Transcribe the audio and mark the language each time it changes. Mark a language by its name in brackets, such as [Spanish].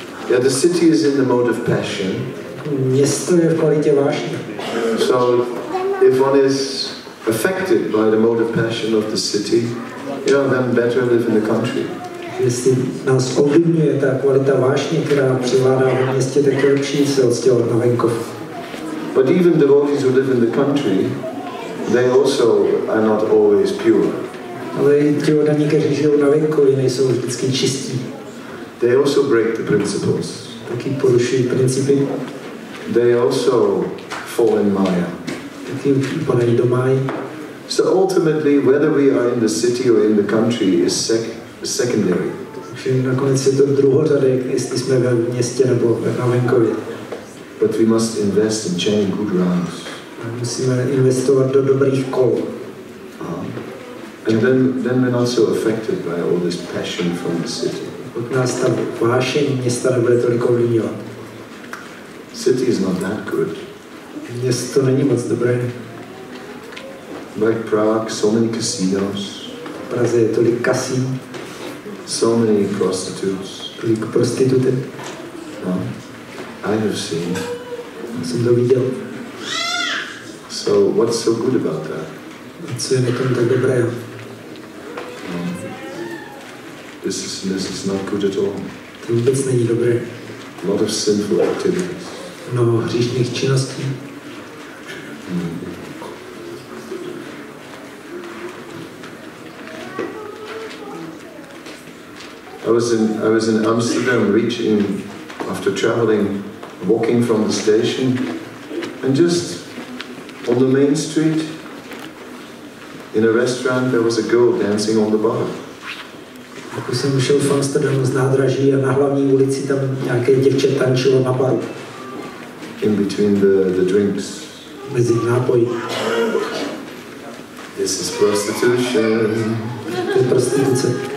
[English] Yeah, the city is in the mode of passion. [Czech] Město je v kvalitě vášně. [English] So, if one is affected by the mode of passion of the city, you know, then better live in the country. [Czech] Jestli nás ovlivňuje ta kvalita vášně, která přivládá v městě, tak je lepší se odstěhovat na venkov. [English] But even devotees who live in the country, they also are not always pure. [Czech] Ale i ti oddaní, kteří žijou na venkově, nejsou vždycky čistí. [English] They also break the principles. [Czech] Taky porušují principy. [English] They also fall in Maya. So ultimately, whether we are in the city or in the country is secondary. [Czech] Nakonec je to druhořadé, jestli jsme ve městě nebo na venkově. [English] but we must invest in chain good runs. [Czech] Musíme investovat do dobrých kol. [English] And then we're not so affected by all this passion from the city. [Czech] Od nás ta vášeň města nebude tolik ovlivňovat. [English] City is not that good. [Czech] Město není moc dobré. [English] Like Prague, so many casinos. [Czech] V Praze je tolik kasín. [English] So many prostitutes. [Czech] Tolik prostitutek. [English] I have seen. [Czech] Já jsem to viděl. [English] So what's so good about that? [Czech] Co je na tom tak dobrého? [English] This is not good at all. [Czech] To vůbec není dobré. [English] A lot of sinful activities. [Czech] Mnoho hříšných činností. [English] I was in Amsterdam reaching after traveling, walking from the station, and just on the main street, in a restaurant, there was a girl dancing on the bar. [Czech] Tak jsem šel v Amsterdamu z nádraží a na hlavní ulici tam nějaké děvče tančilo na baru. [English] In between the drinks. [Czech] Mezi nápoji. [English] This is prostitution. [Czech] To je prostituce.